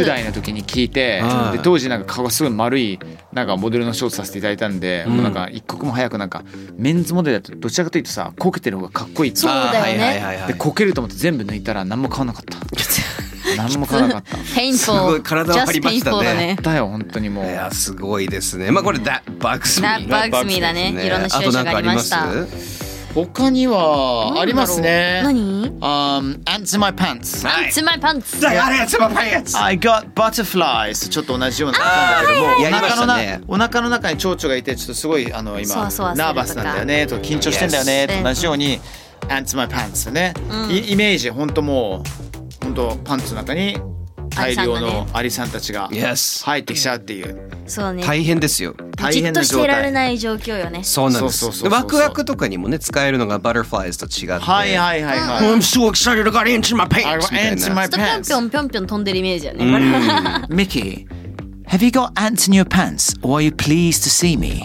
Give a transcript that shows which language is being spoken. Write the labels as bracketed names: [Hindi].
[Japanese] 10代の時に聞いて、で当時なんか顔がすごい丸いなんかモデルのショートさせていただいたんで、うん、もうなんか一刻も早くなんかメンズモデルだとどちらかというとさ、こけてる方がかっこいいって。そうだよね。でこけると思って全部抜いたら何も変わらなかった。何も変わらなかった。 [English] painful。 [Japanese] すごい体を張りましたね。だよ本当にもう。いやすごいですね。まあこれ [English] that bugs me。 that bugs me [Japanese] だね。いろんな種類がありました。他にはありますね。何？ [English] Ants in my pants。 Ants in my pants。あれ、Ants in my pants。 I got butterflies。 [Japanese] ちょっと同じような感じだけども、やりましたね。お腹の中に蝶々がいて、ちょっとすごいあの今ナーバスなんだよねとか緊張してんだよねと同じように [English] Ants in my pants [Japanese] ね。イメージ本当もう本当パンツの中に大量のアリさんたちが入ってきちゃうっていう。そうね、大変ですよ。大変な状態。じっとしてられない状況よね。そうなんです。で、ワクワクとかにもね使えるのがバターフライズと違って。はいはいはいはい。 [English] I'm so excited I got into my pants [Japanese] みたいな。ちょっとピョンピョンピョンピョン飛んでるイメージよね。 [English] Mickey。 Have you got ants in your pants? Or are you pleased to see me?